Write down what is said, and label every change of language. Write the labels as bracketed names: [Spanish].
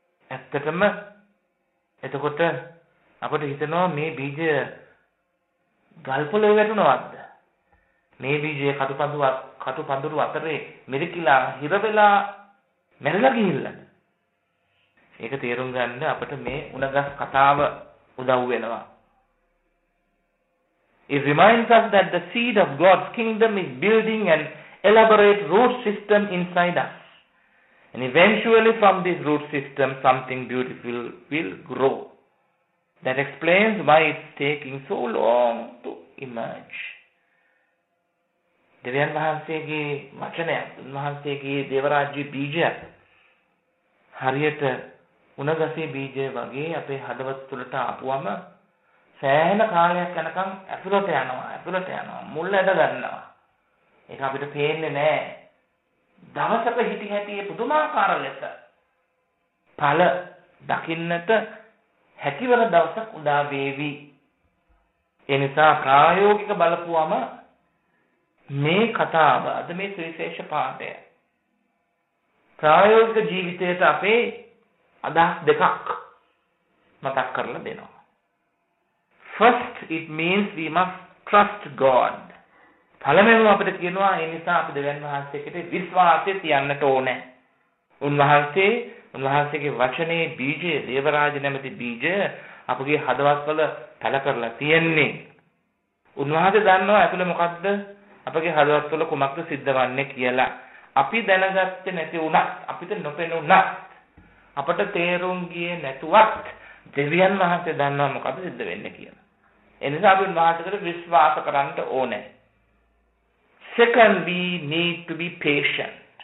[Sinhala] ඇත්තටම එතකොට අපට හිතෙනවා මේ බීජය ගල්පොළේ වැටුණාද? මේ බීජය කටුපඳුරු අතරේ මිරිකිලා හිර වෙලා මැරිලා ගිහිල්ලා. ඒක තේරුම් ගන්න අපට මේ උණගස් කතාව උදව් වෙනවා. [English] It reminds us that the seed of God's kingdom is building an elaborate root system inside us. And eventually from this root system something beautiful will grow. That explains why it's taking so long to emerge. [Sinhala] දෙවියන් වහන්සේගේ වචනයක්, උන්වහන්සේගේ දේවරාජ්‍යයේ බීජයක්, හරියට උණගසේ බීජය වගේ අපේ හදවත තුළට ආපුවම සෑහෙන කාලයක් යනකම් ඇතුළට යනවා, ඇතුළට යනවා, මුල් ඇද ගන්නවා. ඒක අපිට පේන්නේ නැහැ. දවසක හිටි හැටියේ පුදුමාකාර ලෙස ඵල දකින්නට හැකිවන දවසක් උදා වේවි. ඒ නිසා ප්‍රායෝගික බලපුවම මේ කතාව, අද මේ සුවිශේෂ පාඩය, ප්‍රායෝගික ජීවිතයට අපේ අදහස් දෙකක් මතක් කරලා දෙනවා. [English] First, it means we must trust God. [Sinhala] පළමුව අපිට කියනවා, ඒ නිසා අපි දෙවියන් වහන්සේකට විශ්වාසය තියන්නට ඕනේ. උන්වහන්සේ, උන්වහන්සේගේ වචනේ බීජය, දේවරාජ නැමැති බීජය අපගේ හදවත්වල පැල කරලා තියෙන්නේ. උන්වහන්සේ දන්නවා ඇතුළේ මොකද්ද අපගේ හදවත්වල කුමක්ද සිද්ධවන්නේ කියලා. අපි දැනගත්තේ නැති වුණත්, අපිට නොපෙනුණත්, අපට තේරුම් ගියේ නැතුවත් දෙවියන් වහන්සේ දන්නවා මොකද සිද්ධ වෙන්නේ කියලා. ඒ නිසා අපි උන්වහන්සේට විශ්වාස කරන්න ඕනේ. [English] Second, we need to be patient.